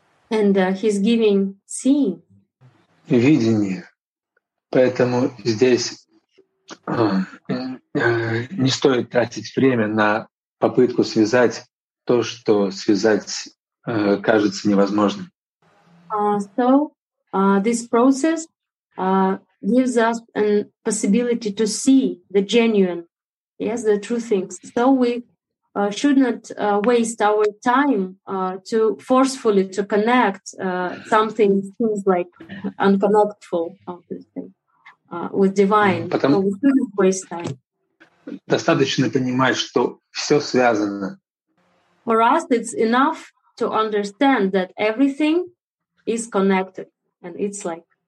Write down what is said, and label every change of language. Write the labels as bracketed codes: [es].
[en] And he's giving seeing. [ru] Видение. Поэтому здесь не стоит тратить время на попытку связать то, что связать кажется невозможным. [en] This process gives us a possibility to see the genuine, yes, the true things. So we should not waste our time to forcefully to connect something seems like unconnectful with divine. [ru] Потому... [en] So we shouldn't waste time. [ru] Достаточно понимать, что все связано. [en] For us, it's enough to understand that everything is connected, and it's like